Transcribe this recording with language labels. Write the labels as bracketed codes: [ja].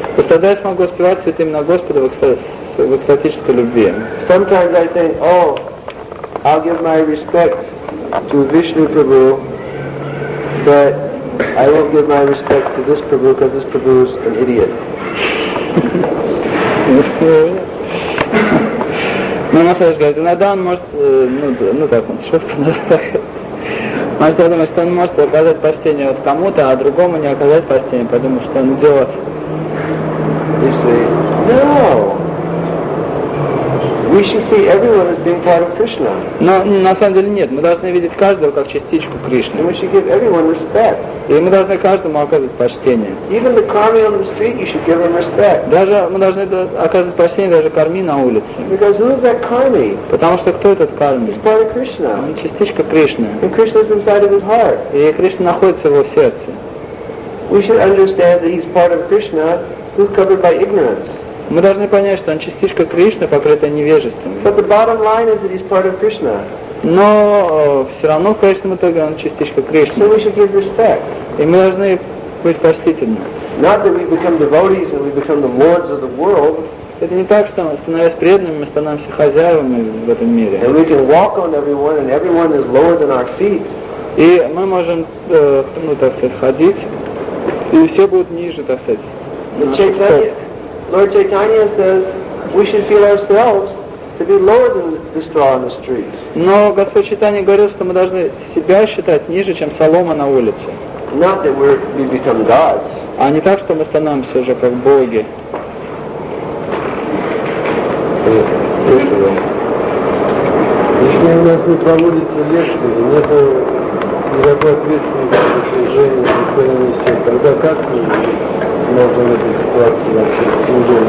[ru] Тогда я смогу воспевать святые имена Господа в экстатической любви. [en] Sometimes I think, oh, I'll give my respect to Vishnu Prabhu, but I won't give my respect to this Prabhu because this Prabhu is an idiot. [ru] Ну, Махарадж говорит, иногда он может, ну так, он шутка, но так. Может, я думаю, что он может оказать почтение вот кому-то, а другому не оказать почтение, потому что он идиот. [en] You see? No! We should see everyone as being part of Krishna. [ru] Но на самом деле нет. Мы должны видеть каждого как частичку Кришны. [en] And we should give everyone respect. [ru] И мы должны каждому оказывать почтение. [en] Even the karmi on the street, you should give them respect. [ru] Даже мы должны оказывать почтение даже карми на улице. [en] Because who is that karmi? [ru] Потому что кто этот карми? [en] He's part of Krishna. [ru] Он частичка Кришны. [en] And Krishna is inside of his heart. [ru] И Кришна находится в его сердце. [en] We should understand that he's part of Krishna, who's covered by ignorance. [ru] Мы должны понять, что он частичка Кришны, покрытая невежеством. [en] But the bottom line is that he's part of Krishna. [ru] Но все равно, в конечном итоге, он частичка Кришны. [en] So we should give respect. [ru] И мы должны быть почтительны. [en] Not that we become devotees and we become the lords of the world. [ru] Это не так, что становясь преданными, мы становимся хозяевами в этом мире. [en] And we can walk on everyone and everyone is lower than our feet. [ru] И мы можем, ну так сказать, ходить, и все будут ниже, так сказать. [en] Lord Chaitanya says we should feel ourselves to be lower than the straw on the street. [ru] Но Господь Читания говорил, что мы должны себя считать ниже, чем солома на улице. [en] Not that we become gods. [ru] А не так, что мы становимся уже как боги. Если у нас не проводится лекции, нет никакой ответственности за движение, никто не несет, тогда как мы можно в этой ситуации вообще неделю.